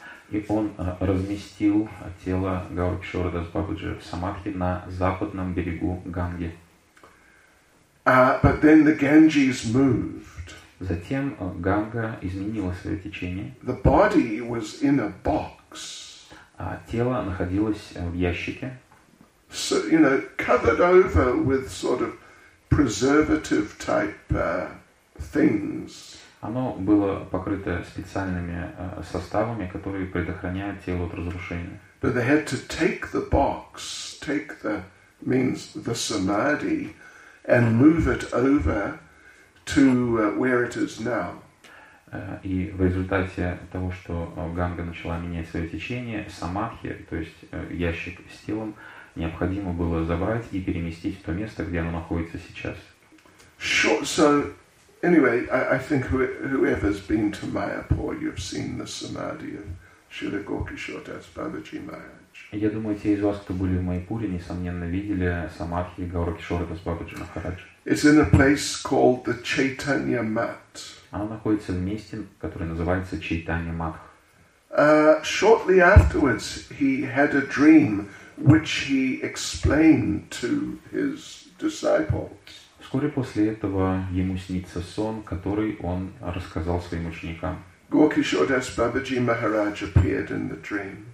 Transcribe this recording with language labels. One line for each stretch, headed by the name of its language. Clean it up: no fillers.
Russian: И он разместил тело Гаур-Кишора Дас Бабаджи в самадхи на западном берегу Ганги.
English: But then the Ganges moved.
Russian: Затем Ганга изменила свое течение.
English: The body was in a box.
Russian: А тело находилось в ящике.
English: So, you know, covered over with sort of preservative type things.
Russian: Оно было покрыто специальными составами, которые предохраняют тело от разрушения.
English: But they had to take the box, take the means the samadhi, and move it over to where it is now.
Russian: И в результате того, что Ганга начала менять свое течение, самадхи, то есть ящик с телом, необходимо было забрать и переместить в то место, где оно находится сейчас.
English: Sure. So, anyway, I think whoever's been to Mayapur, you've seen the samadhi of Srila Gaur-Kishore Das Babaji Maharaj.
Russian: Я думаю, те из вас, кто были в Майпуре, несомненно, видели самадхи Гаур-Кишора Дас Бабаджи Махараджа.
English: It's in a place called the Chaitanya Math.
Russian: Оно находится в месте, которое называется Чайтанья Матх.
English: Shortly afterwards, he had a dream, which he explained to his disciples.
Russian: Вскоре после этого ему снится сон, который он рассказал своим ученикам.
English: Gaur-Kishore Das Babaji Maharaj appeared in the dream.